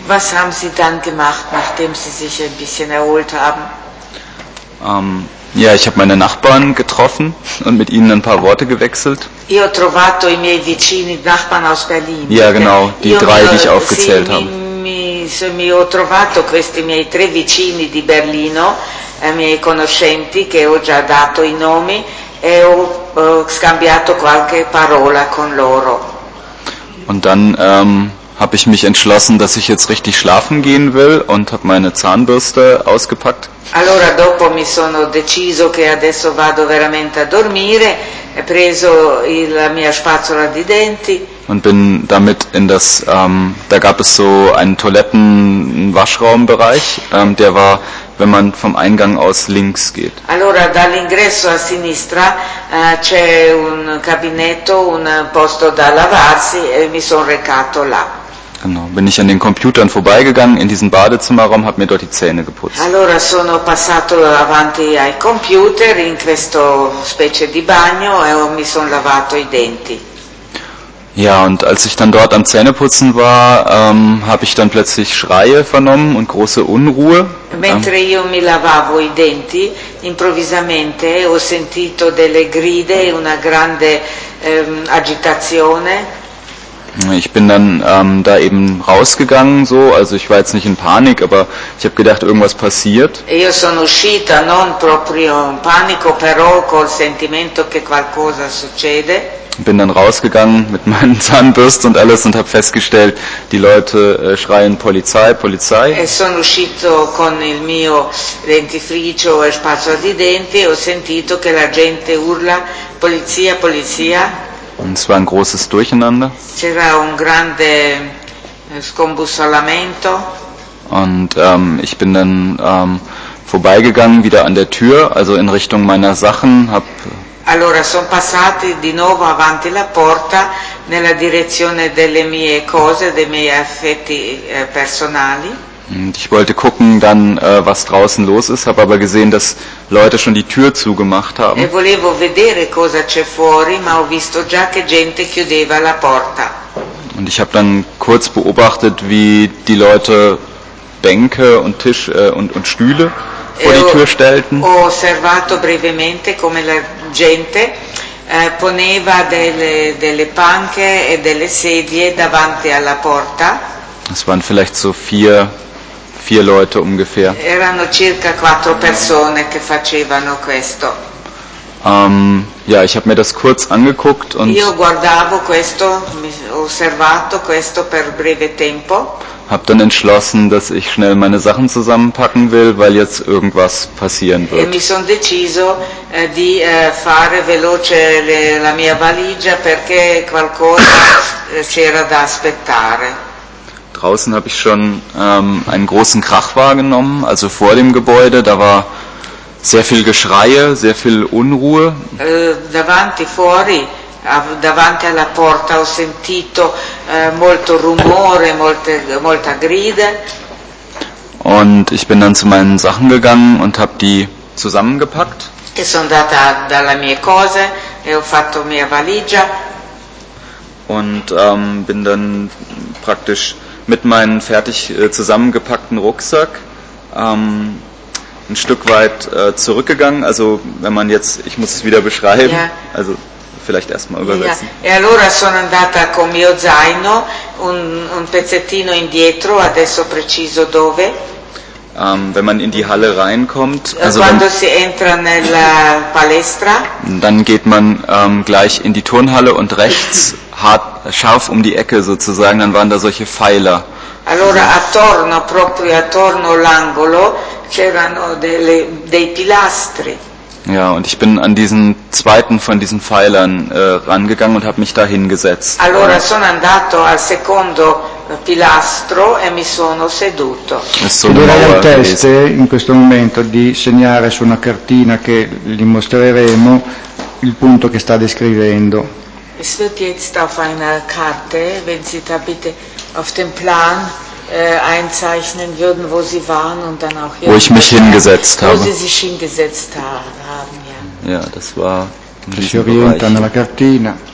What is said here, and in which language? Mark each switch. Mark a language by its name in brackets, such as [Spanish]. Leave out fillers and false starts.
[German] Was haben Sie dann gemacht, nachdem Sie sich ein bisschen erholt haben? Ja, ich habe meine Nachbarn getroffen und mit ihnen ein paar Worte gewechselt. [Italian] Io ho trovato i miei vicini [German] Nachbarn aus Berlin. Ja, genau, die drei, die ich aufgezählt habe. [Italian] Mi ho trovato questi miei tre vicini di Berlino, miei conoscenti, che ho già dato i nomi, e ho scambiato qualche parola con loro. [German] Und dann habe ich mich entschlossen, dass ich jetzt richtig schlafen gehen will und habe meine Zahnbürste ausgepackt. [Italian] Allora dopo mi sono deciso che adesso vado veramente a dormire, ho preso la mia spazzola di denti. [German] Und bin damit in das, da gab es so einen Toiletten-Waschraumbereich, der war, wenn man vom Eingang aus links geht. [Italian] Allora dall'ingresso a sinistra c'è un cabinetto, un posto da lavarsi e mi sono recato là. [German] Genau, bin ich an den Computern vorbeigegangen in diesen Badezimmerraum, habe mir dort die Zähne geputzt. [Italian] Allora sono passato avanti ai computer in questo specie di bagno e mi sono lavato i denti. [German] Ja, und als ich dann dort am Zähneputzen war, habe ich dann plötzlich Schreie vernommen und große Unruhe. [Italian] Mentre io mi lavavo i denti, improvvisamente ho sentito delle gride e una grande agitazione. [German] Ich bin dann da eben rausgegangen, so, also ich war jetzt nicht in Panik, aber ich habe gedacht, irgendwas passiert. [Italian] Io sono uscita non proprio in panico, però col sentimento che qualcosa succede. [German] Bin dann rausgegangen mit meinen Zahnbürsten und alles und habe festgestellt, die Leute schreien Polizei, Polizei. [Italian] E sono uscito con il mio dentifricio e spazzo di denti e ho sentito che la gente urla Polizia, Polizia. [German] Und es war ein großes Durcheinander. [Italian] C'era un grande scombussolamento. [German] Und ich bin dann vorbeigegangen wieder an der Tür, also in Richtung meiner Sachen, habe. [Italian] Allora sono passati di nuovo avanti la porta nella direzione delle mie cose, dei miei affetti personali. [German] Ich wollte gucken dann, was draußen los ist, habe aber gesehen, dass Leute schon die Tür zugemacht haben. [Italian] E volevo vedere cosa c'è fuori, ma ho visto già che gente chiudeva la porta. [German] Und ich habe dann kurz beobachtet, wie die Leute Bänke und Tisch und Stühle vor die Tür stellten. [Italian] Ho osservato brevemente come la gente poneva delle panche e delle sedie davanti alla porta. [German] Es waren vielleicht so vier Leute ungefähr. [Italian] Erano circa quattro persone che facevano questo. [German] Ja, ich habe mir das kurz angeguckt und [Italian] io guardavo questo, osservato questo per breve tempo. [German] Hab dann entschlossen, dass ich schnell meine Sachen zusammenpacken will, weil jetzt irgendwas passieren wird. [Italian] E mi sono deciso di fare veloce la mia valigia perché qualcosa c'era da aspettare. [German] Draußen habe ich schon einen großen Krach wahrgenommen, also vor dem Gebäude, da war sehr viel Geschreie, sehr viel Unruhe. [Italian] Davanti fuori, davanti alla porta ho sentito molto rumore, molta grida. [German] Und ich bin dann zu meinen Sachen gegangen und habe die zusammengepackt. [Italian] E sono andata dalle mie cose e ho fatto mia valigia. [German] Und bin dann praktisch mit meinem fertig zusammengepackten Rucksack ein Stück weit zurückgegangen. Also wenn man jetzt, ich muss es wieder beschreiben, also vielleicht erstmal übersetzen. [Italian] E allora sono andata con mio zaino un pezzettino indietro, adesso preciso dove. [German] Wenn man in die Halle reinkommt, also [Italian] quando si entra nella palestra, [German] dann geht man gleich in die Turnhalle und rechts hart, scharf um die Ecke sozusagen, dann waren da solche Pfeiler. [Italian] Allora attorno, proprio attorno l'angolo, c'erano dei pilastri. [German] Ja, und ich bin an diesen zweiten von diesen Pfeilern rangegangen und habe mich da hingesetzt. [Italian] Allora sono andato al secondo pilastro e mi sono seduto. Durerà il test in questo momento di segnare su una cartina che gli mostreremo il punto che sta descrivendo. [German] Es wird jetzt auf einer Karte, wenn Sie da bitte auf dem Plan einzeichnen würden, wo Sie waren und dann auch hier. Wo ich mich hingesetzt habe. Wo Sie sich hingesetzt haben, ja. Ja, das war [Italian] nella cartina.